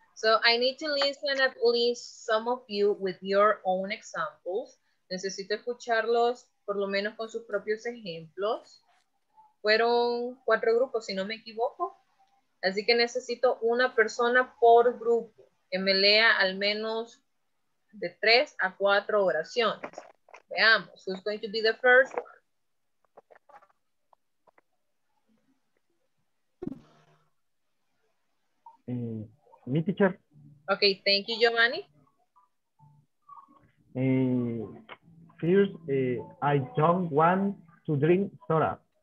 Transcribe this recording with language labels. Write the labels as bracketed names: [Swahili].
[English] So I need to listen at least some of you with your own examples. [Spanish] Necesito escucharlos por lo menos con sus propios ejemplos. Fueron cuatro grupos, si no me equivoco. Así que necesito una persona por grupo que me lea al menos de 3 a 4 oraciones. Veamos, [English] who's going to be the first one? [Spanish] Mi teacher. [English] Ok, thank you, Giovanni. First, I don't want to drink soda.